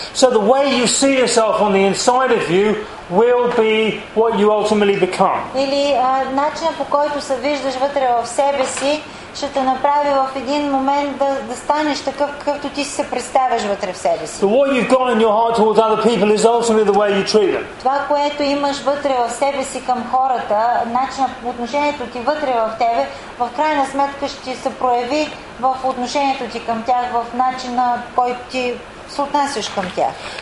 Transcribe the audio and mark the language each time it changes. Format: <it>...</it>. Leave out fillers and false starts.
<en>So the way you see yourself on the inside of you will be what you ultimately become.</en> <bg>Или начинът по който се виждаш вътре в себе си ще те направи в един момент да станеш такъв, какъвто ти си се представяш вътре в себе си.</bg> <en>So what you've got in your heart towards other people is ultimately the way you treat them.</en> <bg>Това, което имаш вътре в себе си към хората, начинът по отношението ти вътре в тебе, в крайна сметка ще се прояви в отношението ти към тях, в начина, който ти се отнасяш към тях.</bg>